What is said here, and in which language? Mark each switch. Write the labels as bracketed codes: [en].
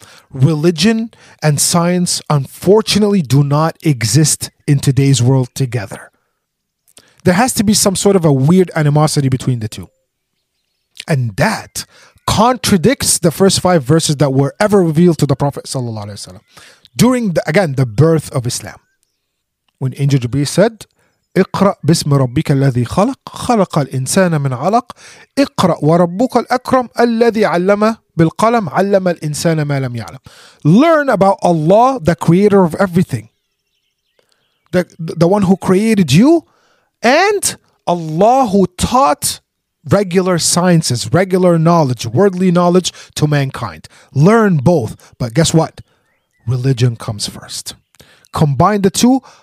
[en] Religion and science, unfortunately, do not exist in today's world together. There has to be some sort of a weird animosity between the two. And that contradicts the first five verses that were ever revealed to the Prophet sallallahu alaihi wasallam during the, again, the birth of Islam. When Angel Jibreel said, [ar] اقرأ باسم ربك الذي خلق خلق الإنسان من علق اقرأ وربك الأكرم الذي علم بالقلم علم الإنسان ما لم يعلم. [en] Learn about Allah, the creator of everything, the one who created you, and Allah who taught regular sciences, regular knowledge, worldly knowledge to mankind. Learn both. But guess what? Religion comes first. Combine the two.